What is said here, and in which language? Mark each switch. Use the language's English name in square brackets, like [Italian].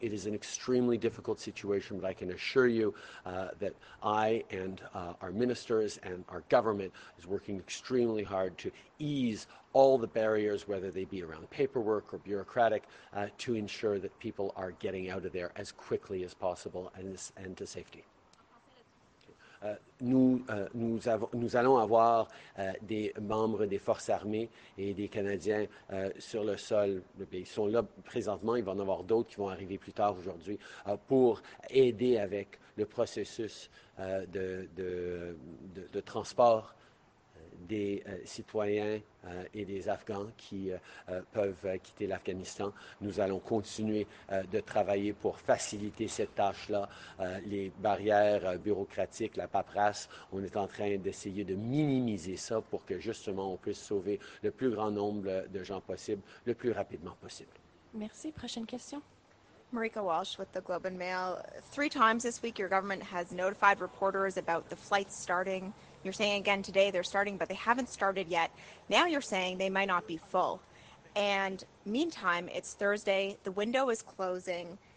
[English] It is an extremely difficult situation, but I can assure you that I and our ministers and our government is working extremely hard to ease all the barriers, whether they be around paperwork or bureaucratic, to ensure that people are getting out of there as quickly as possible and to safety. [French] Nous allons avoir des membres des forces armées et des Canadiens sur le sol. Ils sont là présentement. Il va y en avoir d'autres qui vont arriver plus tard aujourd'hui pour aider avec le processus de transport des citoyens et des Afghans qui peuvent quitter l'Afghanistan. Nous allons continuer de travailler pour faciliter cette tâche-là. Les barrières bureaucratiques, la paperasse, on est en train d'essayer de minimiser ça pour que justement on puisse sauver le plus grand nombre de gens possible, le plus rapidement possible. Merci. Prochaine question. [English] Marika Walsh with the Globe and Mail. Three times this week, your government has notified reporters about the flights starting. You're saying again today they're starting, but they haven't started yet. Now you're saying they might not be full. And meantime, it's Thursday, the window is closing.